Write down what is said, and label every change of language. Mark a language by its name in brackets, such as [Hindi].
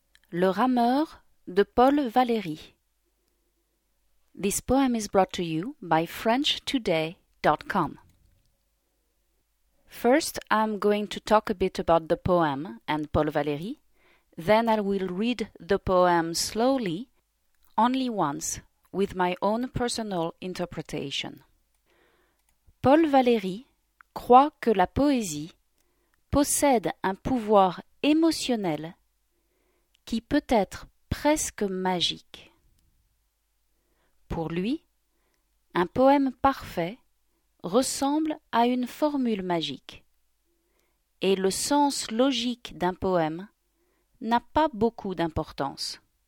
[French] Le rameur de Paul Valéry. [English] This poem is brought to you by FrenchToday.com. First, I'm going to talk a bit about the poem and Paul Valéry. Then I will read the poem slowly, only once, with my own personal interpretation. [French] Paul Valéry croit que la poésie possède un pouvoir émotionnel qui peut être presque magique. Pour lui, un poème parfait ressemble à une formule magique, et le sens logique d'un poème n'a pas beaucoup d'importance.